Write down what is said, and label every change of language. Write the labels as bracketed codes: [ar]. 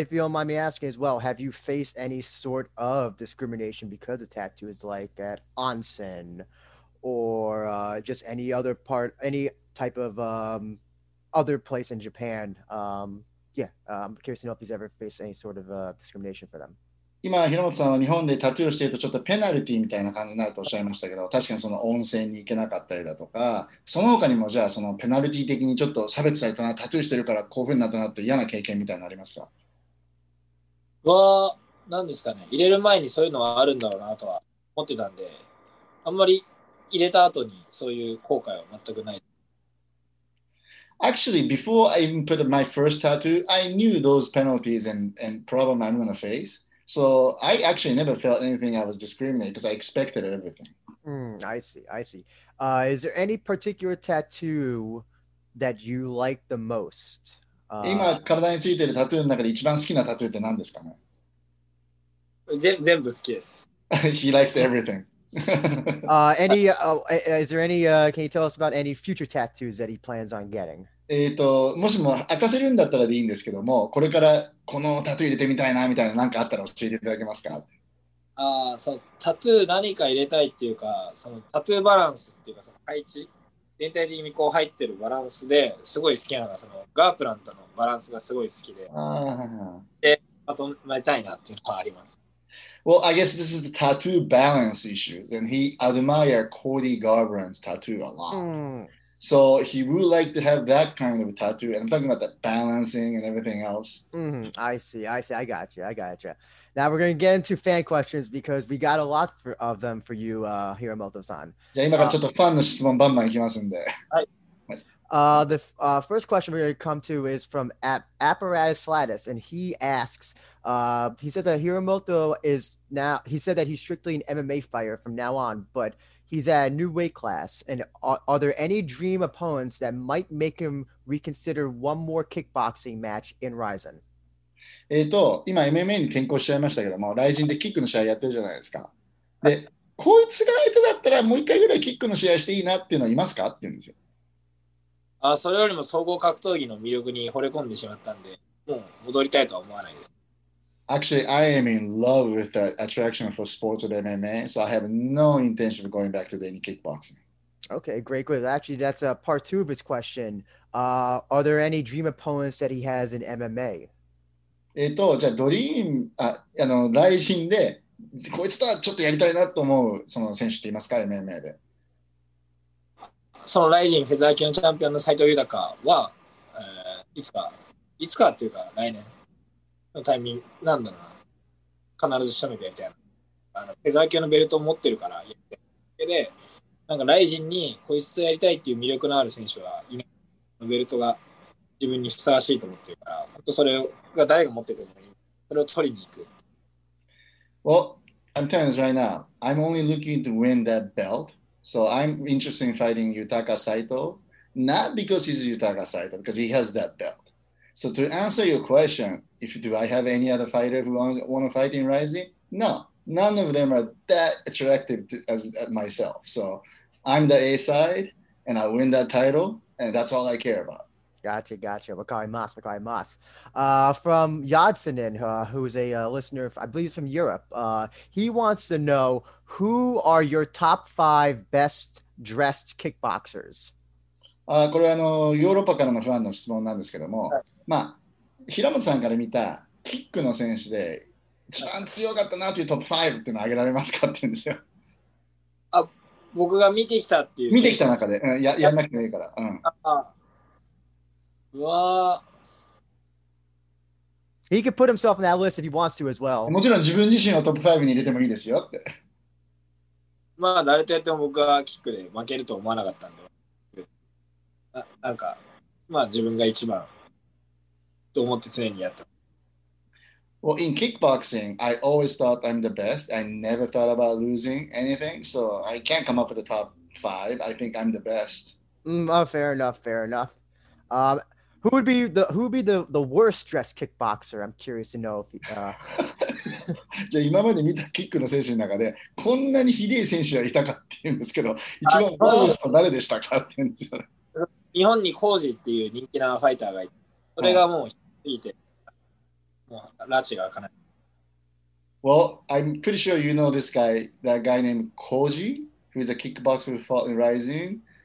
[en] If you don't mind me asking as well, have you faced any sort of discrimination because of tattoos, like at onsen or just any other part, any type of other place in Japan? I'm curious to know if he's ever faced any sort of discrimination for them. [ja] 今、平本さんは日本でタトゥーをしているとちょっとペナルティみたいな感じになるとおっしゃいましたけど、確かにその温泉に行けなかったりだとか、その他にもじゃあそのペナルティ的にちょっと差別されたな、タトゥーしてるからこういうふうになったなって嫌な経験みたいなのありますか？は、何ですかね、入れる前にそういうのはあるんだろうなとは思ってたんで、あんまり入れた後にそういう後悔は全くない。 [en] Actually, before I even put my first tattoo, I knew those penalties and problem I'm going to face. So I actually never felt anything I was discriminated because I expected everything. I see. Is there any particular tattoo that you like the most? [ja] 今体についてるタトゥーの中で一番好きなタトゥーって何ですかね？全部好きです。 [en] He likes everything. is there any, can you tell us about any future tattoos that he plans on getting? [ja] もしも明かせるんだったらでいいんですけども、これからこのタトゥー入れてみたいなみたいな何かあったら教えていただけますか？そのタトゥー何か入れたいっていうか、そのタトゥーバランスっていうか、その配置、全体的にこう入ってるバランスですごい好きなのが、そのガープラントのバランスがすごい好きで、で、まとめたいなっていうのはあります。 [en] Well, I guess this is the tattoo balance issues, and he admired Cody Garbrandt's tattoo a lot. So he would like to have that kind of tattoo, and I'm talking about the balancing and everything else. Mm-hmm. I see. I see. I got you. Now we're going to get into fan questions because we got a lot of them for you here, Moto-san. The first question we're going to come to is from Apparatus Flatus, and he asks, he says that Hiromoto is now, he said that he's strictly an MMA fighter from now on, but he's at a new weight class, and are there any dream opponents that might make him reconsider one more kickboxing match in Ryzen? [ja] 今 MMA に転向しちゃいましたけども、ライジンでキックの試合やってるじゃないですか。で、こいつが相手だったらもう一回ぐらいキックの試合していいなっていうのはいますかって言うんですよ。あ、それよりも総合格闘技の魅力に惚れ込んでしまったんで、もう戻りたいとは思わないです。 [en] Actually, I am in love with the attraction for sports of MMA, so I have no intention of going back to any kickboxing. Okay, great. Good. Actually, that's a part two of his question. Are there any dream opponents that he has in MMA? [ja] じゃあドリーム、ライジンで、こいつとはちょっとやりたいなと思うその選手っていますか、MMA で。そのライジンフェザー級のチャンピオンの斉藤裕太は、いつかっていうか来年のタイミングなんだろうな、必ず仕留めてやりたいな。あのフェザー級のベルトを持ってるからやりたい。で、なんかライジンにこいつとやりたいっていう魅力のある選手はいない。のベルトが自分にふさわしいと思ってるから、本当それが誰が持っててもいい。それを取りに行く。 [en] Well, I'm telling you right now, I'm only looking to win that belt. So I'm interested in fighting Yutaka Saito, not because he's Yutaka Saito, because he has that belt. So to answer your question, do I have any other fighter who want to fight in Rising? No, none of them are that attractive as myself. So I'm the A-side, and I win that title, and that's all I care about. Gotcha. [ja] Wakarimasu. [en] From Yadsenin, who's a listener, I believe he's from Europe, he wants to know, who are your top five best dressed kickboxers? [ja] これはヨーロッパからのファンの質問なんですけども、まあ、平本さんから見たキックの選手で一番強かったなというトップ5ってのを挙げられますかって言うんですよ。あ、僕が見てきたっていう。見てきた中で、やんなくてもいいから。うわ、 [en] He could put himself on that list if he wants to as well. [ja] もちろん自分自身をトップ5に入れてもいいですよって。まあ誰とやっても僕はキックで負けると思わなかったんで、なんかまあ自分が一番と思って常にやった。 [en] Well, in kickboxing, I always thought I'm the best. I never thought about losing anything, so I can't come up with the top five. I think I'm the best. Fair enough. Who would be the worst dressed kickboxer? I'm curious to know if [ja] じゃあ今まで見たキックの選手の中でこんなにひでえ選手がいたかっていうんですけど、一番ワーストは誰でしたかって言うんですよ。日本にコージっていう人気なファイターがいて、それがもう引っ張って、もうラチが開かない。 [en] Well, I'm pretty sure you know this guy, that guy named Koji, who is a kickboxer who fought in Rising.